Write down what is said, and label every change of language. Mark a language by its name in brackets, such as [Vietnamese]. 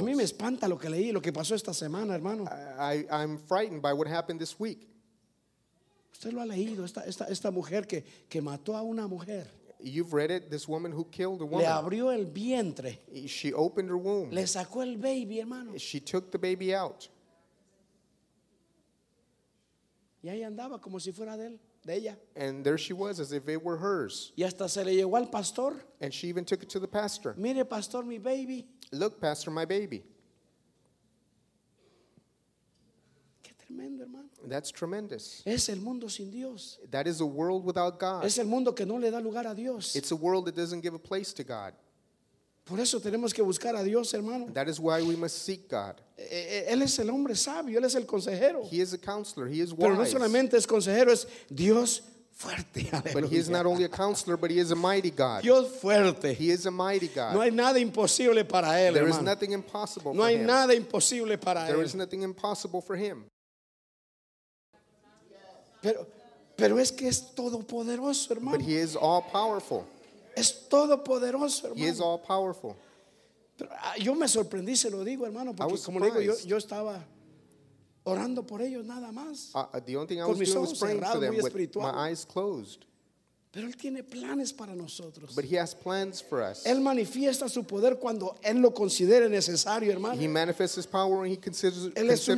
[Spanish] A mí me espanta lo que leí, lo que pasó esta semana, hermano. [English] I'm frightened by what happened this week. [Spanish] Usted lo ha leído, esta mujer que mató a una mujer. [English] You've read it, this woman who killed a woman. [Spanish] Le abrió el vientre. [English] She opened her womb. [Spanish] Le sacó el baby, hermano. [English] She took the baby out. [Spanish] Y ahí andaba como si fuera de él. De ella. [English] And there she was as if it were hers. [Spanish] Y hasta se le llegó al pastor. [English] And she even took it to the pastor. [Spanish] Mire, pastor, mi baby. [English] Look, pastor, my baby. [Spanish] Qué tremendo, hermano. [English] That's tremendous. [Spanish] Es el mundo sin Dios. [English] That is a world without God. [Spanish] Es el mundo que no le da lugar a Dios. [English] It's a world that doesn't give a place to God. [Spanish] Por eso tenemos que buscar a Dios, hermano. [English] That is why we must seek God. [Spanish] Él es el hombre sabio, él es el consejero. [English] He is a counselor, he is wise. [Spanish] Pero no solamente es consejero, es Dios fuerte. Aleluya. [English] But he is not only a counselor, but he is a mighty God. [Spanish] Dios fuerte. [English] He is a mighty God. [Spanish] No hay nada imposible para él, hermano. [English] There is nothing impossible for him. [Spanish] No hay nada imposible para él. [English] There is nothing impossible for him. [Spanish] Pero es que es todopoderoso, hermano. [English] But he is all powerful. [Spanish] Es todopoderoso, hermano. [English] He is all powerful. [Spanish] Pero, yo me sorprendí, se lo digo, hermano, porque como le digo, yo estaba orando por ellos nada más. [English] The only thing I was doing was praying for them with my eyes closed. [Spanish] Pero él tiene planes para nosotros. [English] But he has plans for us. [Spanish] Él manifiesta su poder cuando él lo considere necesario, hermano. [English] He manifests his power when he considers it necessary.